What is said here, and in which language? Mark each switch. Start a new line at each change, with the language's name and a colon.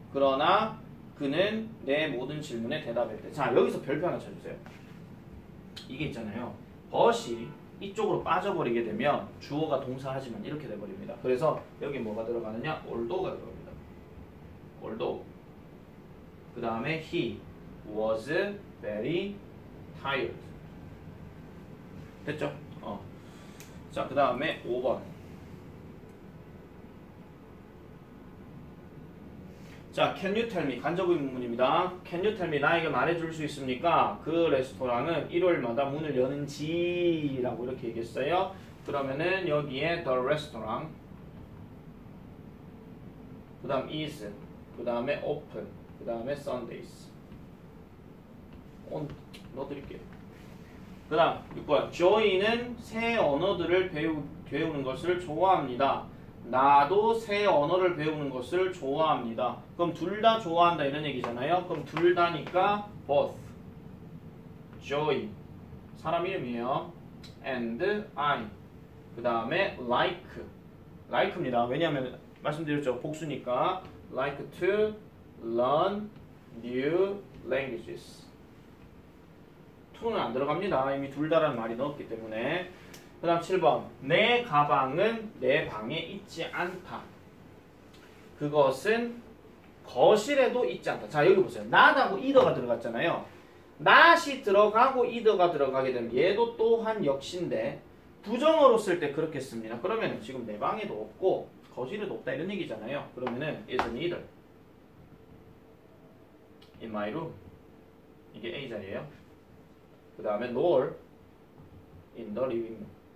Korean: 그러나 그는 내 모든 질문에 대답했대. 자, 여기서 별표 하나 쳐주세요. 이게 있잖아요. but이 이쪽으로 빠져버리게 되면 주어가 동사하지만 이렇게 돼버립니다. 그래서 여기 뭐가 들어가느냐? although가 들어갑니다.
English: although.
Korean: 그 다음에
English: he was very tired.
Korean: 됐죠? 자, 그 다음에 5번.
English: 자, can you tell me?
Korean: 간접의 문문입니다.
English: Can you tell me?
Korean: 나에게 말해줄 수 있습니까? 그 레스토랑은 일요일마다 문을 여는지 라고 이렇게 얘기했어요. 그러면은 여기에 the restaurant, 그 다음 is, 그 다음에 open, 그 다음에 Sundays. 넣어드릴게요. 그 다음 6번. Joy는 새 언어들을 배우는 것을 좋아합니다. 나도 새 언어를 배우는 것을 좋아합니다. 그럼 둘 다 좋아한다 이런 얘기잖아요. 그럼 둘 다니까 both, joy, 사람 이름이에요. and I, 그 다음에 like, like입니다. 왜냐하면 말씀드렸죠. 복수니까
English: like to learn new languages.
Korean: to는 안 들어갑니다. 이미 둘 다라는 말이 넣었기 때문에. 그 다음 7번. 내 가방은 내 방에 있지 않다. 그것은 거실에도 있지 않다. 자, 여기 보세요. not하고 either가 들어갔잖아요. not이 들어가고 either가 들어가게 되면 얘도 또한 역시인데 부정어로 쓸 때 그렇게 씁니다. 그러면 지금 내 방에도 없고 거실에도 없다 이런 얘기잖아요. 그러면은
English: is neither in my room.
Korean: 이게 A 자리예요. 그 다음에
English: nor in the living room.